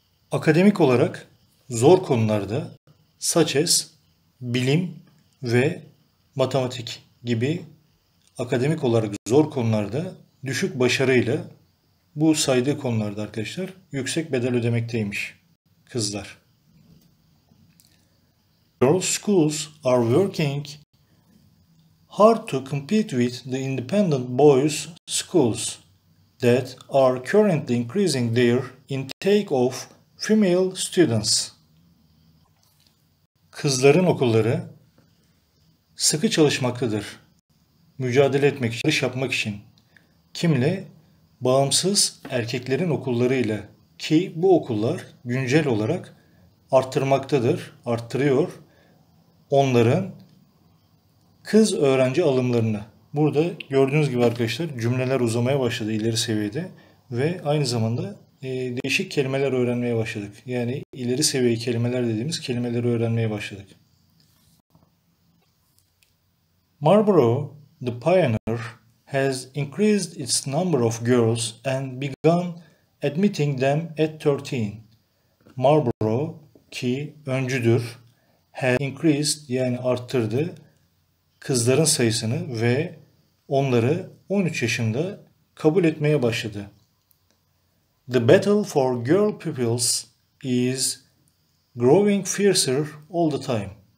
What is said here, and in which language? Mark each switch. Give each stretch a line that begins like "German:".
Turkish: Akademik olarak zor konularda,
English: such as
Turkish: bilim ve matematik gibi akademik olarak zor konularda düşük başarıyla bu saydığı konularda arkadaşlar yüksek bedel ödemekteymiş kızlar.
English: Girls' schools are working hard to compete with the independent boys' schools that are currently increasing their intake of female students.
Turkish: Kızların okulları sıkı çalışmaktadır. Mücadele etmek için, yapmak için. Kimle? Bağımsız erkeklerin okullarıyla. Ki bu okullar güncel olarak arttırmaktadır, arttırıyor onların kız öğrenci alımlarını. Burada gördüğünüz gibi arkadaşlar cümleler uzamaya başladı ileri seviyede ve aynı zamanda değişik kelimeler öğrenmeye başladık. Yani ileri seviye kelimeler dediğimiz kelimeleri öğrenmeye başladık.
English: Marlborough, the pioneer, has increased its number of girls and begun admitting them at 13.
Turkish: Marlborough, ki öncüdür,
English: has increased,
Turkish: yani arttırdı kızların sayısını ve onları 13 yaşında kabul etmeye başladı.
English: The battle for girl pupils is growing fiercer all the time.